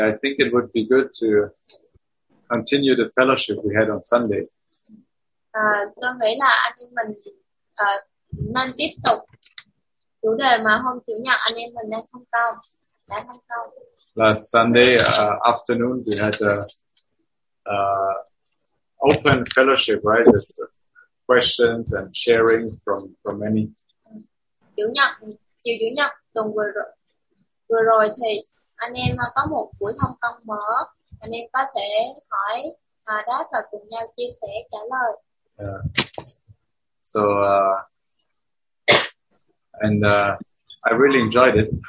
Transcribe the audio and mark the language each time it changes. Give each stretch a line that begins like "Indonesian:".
English: I think it would be good to continue the fellowship we had on Sunday.
Vietnamese: Tôi nghĩ là anh em mình nên tiếp tục chủ đề mà hôm chủ nhật anh em mình đang phân công, đã phân công.
English: Last Sunday afternoon we had a open fellowship, right? With questions and sharing from many.
Vietnamese: Chiều chủ nhật tuần vừa rồi thì anh em có một buổi thông công mở, anh em có thể hỏi đáp và cùng nhau chia sẻ trả lời.
English: So and I really enjoyed it.